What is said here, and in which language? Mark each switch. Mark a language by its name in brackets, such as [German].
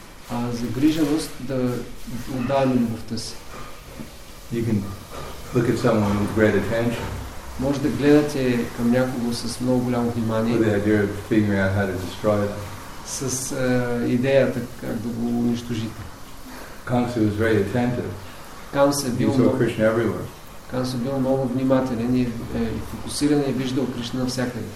[Bulgarian] А загриженост да отдаваме любовта си. [English] You can look at someone with great attention. [Bulgarian] Може да гледате към някого с много голямо внимание. [English] With the idea of figuring out how to destroy them. [Bulgarian] С идеята как да го унищожите. [English] Камса was very attentive. [Bulgarian] Камса бил. [English] He saw Krishna everywhere. [Bulgarian] Камса бил много внимателен и фокусиран и виждал Кришна навсякъде.